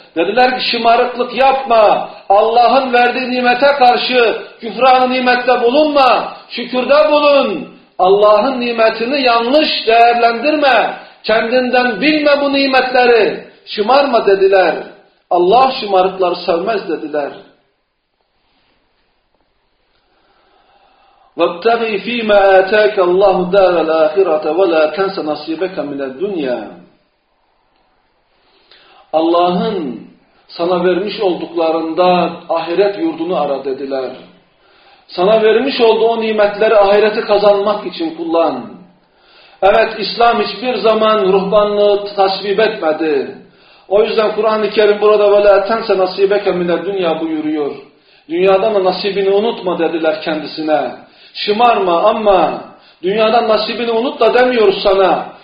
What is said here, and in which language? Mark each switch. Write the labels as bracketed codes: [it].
[tr] Dediler ki şımarıklık yapma, Allah'ın verdiği nimete karşı küfranı nimette bulunma, şükürde bulun. Allah'ın nimetini yanlış değerlendirme, kendinden bilme bu nimetleri. Şımarma dediler, Allah şımarıkları sevmez dediler. [ar] وَبْتَغِي فِي مَا آتَاكَ اللّٰهُ دَارَ الْآخِرَةَ وَلَا تَنْسَ نَصِيبَكَ مِنَ الدُّنْيَا [tr] Allah'ın sana vermiş olduklarında ahiret yurdunu ara dediler. Sana vermiş olduğu nimetleri ahireti kazanmak için kullan. Evet, İslam hiçbir zaman ruhbanlığı tasvip etmedi. O yüzden Kur'an-ı Kerim burada [ar] وَلَا تَنْسَ نَصِيبَكَ مِنَ الدُّنْيَا [tr] buyuruyor. Dünyadan da nasibini unutma dediler kendisine. Şımarma ama dünyadan nasibini unut da demiyoruz sana.